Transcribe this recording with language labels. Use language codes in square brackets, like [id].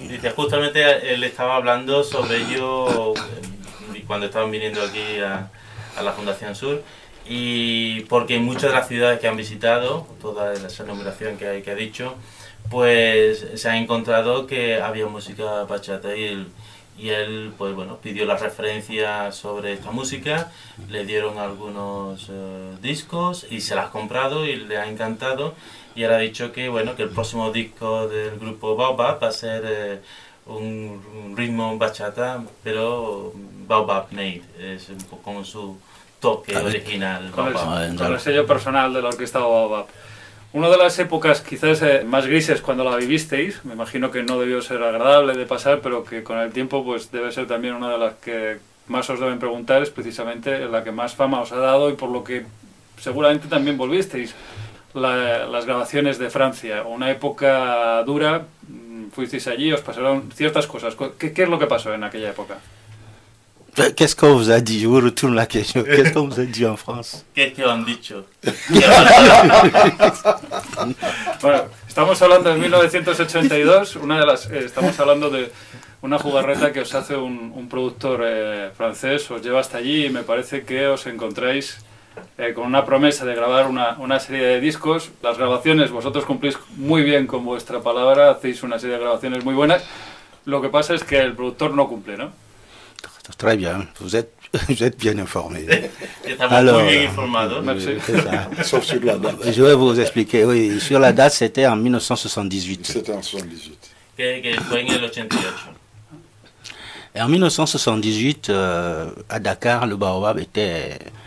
[fr] Justement, il était parlant de ça quand ils étaient venus ici à la Fondation Sur. [es] Y porque en muchas de las ciudades que han visitado, toda esa enumeración que ha dicho, pues se ha encontrado que había música bachata y él pues bueno, pidió la referencia sobre esta música, le dieron algunos discos y se las ha comprado y le ha encantado y él ha dicho que bueno, que el próximo disco del grupo Baobab va a ser un ritmo bachata, pero Baobab Made, es un poco como su toque original. Con el sello personal de la orquesta Baobab. Una de las épocas quizás más grises cuando la vivisteis, me imagino que no debió ser agradable de pasar, pero que con el tiempo pues debe ser también una de las que más os deben preguntar, es precisamente la que más fama os ha dado y por lo que seguramente también volvisteis, las grabaciones de Francia. Una época dura, fuisteis allí, os pasaron ciertas cosas. ¿Qué es lo que pasó en aquella época? [fr] Qu'est-ce qu'on vous a dit? Je vous retourne la question. Qu'est-ce qu'on vous a dit en France? Qu'est-ce qu'on a dit? [es] Bueno, estamos hablando de 1982, una de las, estamos hablando de una jugarreta que os hace un productor francés, os lleva hasta allí y me parece que os encontráis con una promesa de grabar una serie de discos. Las grabaciones, vosotros cumplís muy bien con vuestra palabra, hacéis una serie de grabaciones muy buenas. Lo que pasa es que el productor no cumple, ¿no? [fr] Très bien, vous êtes bien informé. Alors, très bien informé. Merci. Sauf sur la date. Je vais vous expliquer. Oui, sur la date, c'était en 1978. C'était en 78. [es] Que fue en el 88. [fr] Et en 1978, à Dakar, le Baobab était.